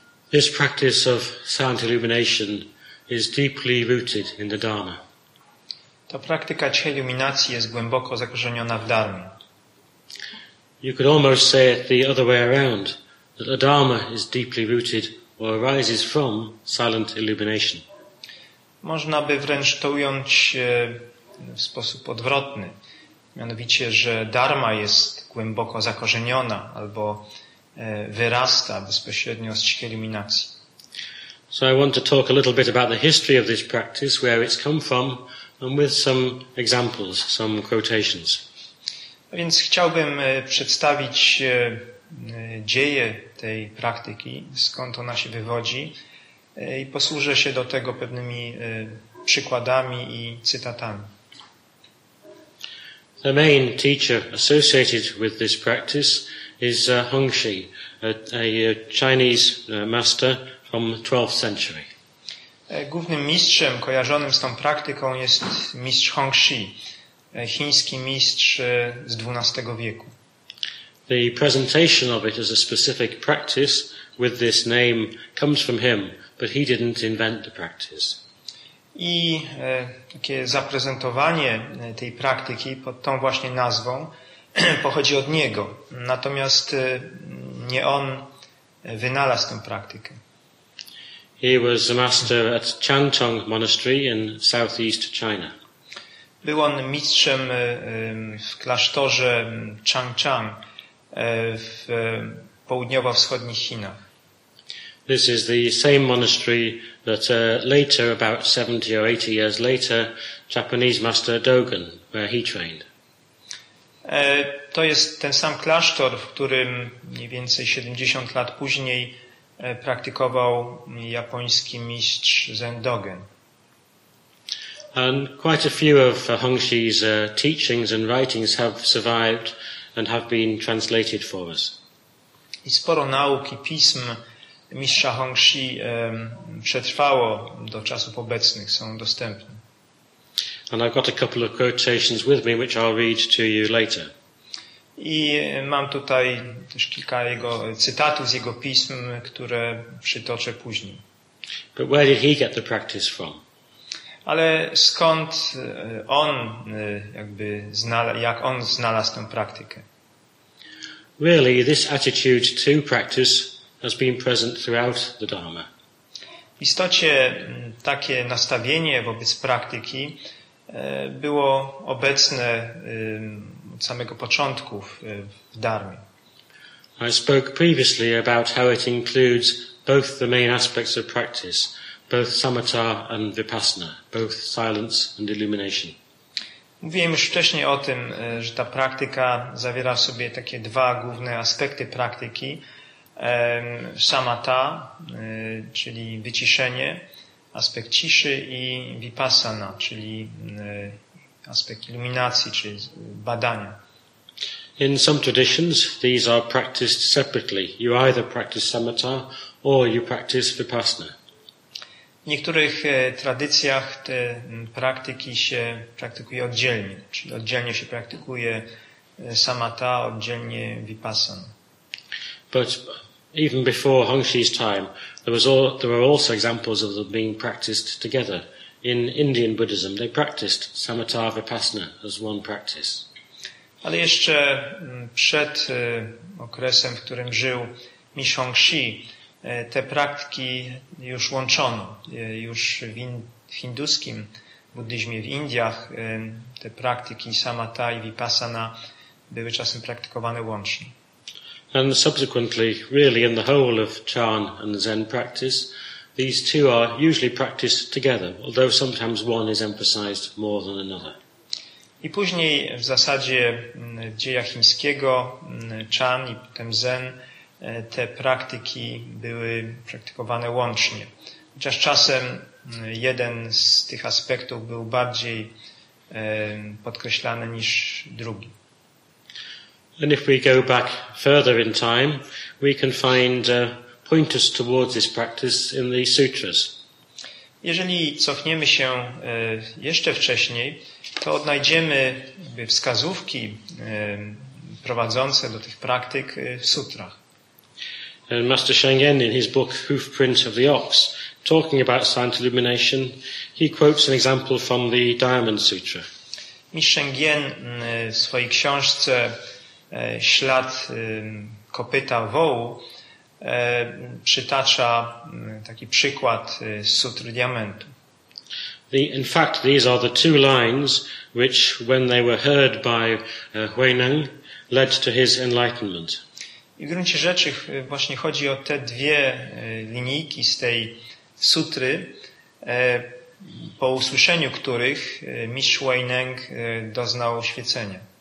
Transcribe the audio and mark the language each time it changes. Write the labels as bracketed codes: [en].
[en] This practice of silent illumination is deeply rooted in the Dharma. [pl] Ta praktyka ciszej iluminacji jest głęboko zakorzeniona w Dharmie. [en] You could almost say it the other way around, that the Dharma is deeply rooted or arises from silent illumination. [pl] Można by wręcz to ująć w sposób odwrotny, mianowicie, że Dharma jest głęboko zakorzeniona albo wyrasta bezpośrednio z ćwiczeń iluminacji. [en] So I want to talk a little bit about the history of this practice, where it's come from, and with some examples, some quotations. [pl] A więc chciałbym przedstawić dzieje tej praktyki, skąd ona się wywodzi, i posłużę się do tego pewnymi przykładami i cytatami. [en] The main teacher associated with this practice is Hongxi, a Chinese master from the 12th century. [pl] Głównym mistrzem kojarzonym z tą praktyką jest mistrz Hongxi, chiński mistrz z XII wieku. [en] The presentation of it as a specific practice with this name comes from him, but he didn't invent the practice. [pl] I takie zaprezentowanie tej praktyki pod tą właśnie nazwą pochodzi od niego. Natomiast nie on wynalazł tę praktykę. [en] He was a master at Chantong Monastery in southeast China. [pl] Był on mistrzem w klasztorze Changchang w południowo-wschodnich Chinach. [en] This is the same monastery that later, about 70 or 80 years later, Japanese master Dogen, where he trained. [pl] To jest ten sam klasztor, w którym mniej więcej 70 lat później praktykował japoński mistrz Zen Dogen. [en] And quite a few of Hongxi's teachings and writings have survived and have been translated for us. [pl] I sporo nauk i pism mistrza Hongxi przetrwało do czasów obecnych, są dostępne. [en] And I've got a couple of quotations with me, which I'll read to you later. [pl] I mam tutaj też kilka jego cytatów z jego pism, które przytoczę później. [en] But where did he get the practice from? [pl] Ale skąd on jakby jak on znalazł tę praktykę? [en] Really, this attitude to practice has been present throughout the Dharma. [pl] W istocie takie nastawienie wobec praktyki było obecne od samego początku w Dharmie. [en] I spoke previously about how it includes both the main aspects of practice, both samatha and vipassana, both silence and illumination. [pl] Mówiłem już wcześniej o tym, że ta praktyka zawiera w sobie takie dwa główne aspekty praktyki. Samatha, czyli wyciszenie, aspekt ciszy, i vipassana, czyli aspekt iluminacji, czyli badania. [en] In some traditions, these are practiced separately. You either practice samatha or you practice vipassana. [pl] W niektórych tradycjach te praktyki się praktykuje oddzielnie, czyli oddzielnie się praktykuje samatha, oddzielnie vipassana. [en] But even before Hongxi's time, there were also examples of them being practiced together. In Indian Buddhism, they practiced samatha vipassana as one practice. [pl] Ale jeszcze przed okresem, w którym żył mistrz Hongxi, te praktyki już łączono. Już w hinduskim buddyzmie w Indiach te praktyki samatha i vipassana były czasem praktykowane łącznie. [en] And subsequently, really in the whole of Chan and Zen practice, these two are usually practiced together, although sometimes one is emphasized more than another. [pl] I później w zasadzie w dziejach chińskiego Chan i potem Zen te praktyki były praktykowane łącznie. Chociaż czasem jeden z tych aspektów był bardziej podkreślany niż drugi. [en] And if we go back further in time, we can find pointers towards this practice in the sutras. [pl] Jeżeli cofniemy się jeszcze wcześniej, to odnajdziemy wskazówki prowadzące do tych praktyk w sutrach. [en] And Master Shengen, in his book Hoofprint of the Ox, talking about silent illumination, he quotes an example from the Diamond Sutra. [pl] Shengen w swojej książce Ślad kopyta wołu przytacza taki przykład z sutry diamentu. [en] In fact, these are the two lines which, when they were heard by Huineng, led to his enlightenment. [pl] I w gruncie rzeczy właśnie chodzi o te dwie linijki z tej sutry, po usłyszeniu których mistrz Huineng doznał oświecenia.